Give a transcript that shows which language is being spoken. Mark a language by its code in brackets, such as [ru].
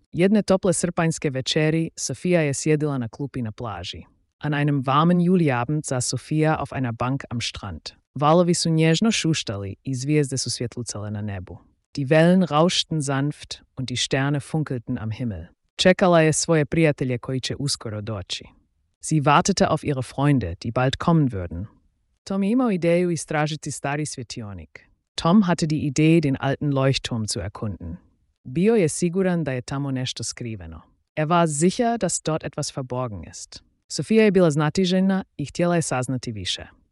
[hr] Jedne tople srpanjske večeri Sofia je sjedila na klupi na plaži. [de] An einem warmen Juliabend saß Sofia auf einer Bank am Strand. [hr] Valovi su nježno šuštali i zvijezde su svjetlucale na nebu. [de] Die Wellen rauschten sanft und die Sterne funkelten am Himmel. [hr] Čekala je svoje prijatelje koji će uskoro doći. [de] Sie wartete auf ihre Freunde, die bald kommen würden. [hr] Tom je imao ideju istražiti stari svjetionik. [de] Tom hatte die Idee, den alten Leuchtturm zu erkunden. [hr] Bio je siguran da je tamo nešto skriveno. [de] Er war sicher, dass dort etwas verborgen ist. [hr] Sofia je bila znatiželjna i htjela je saznati više.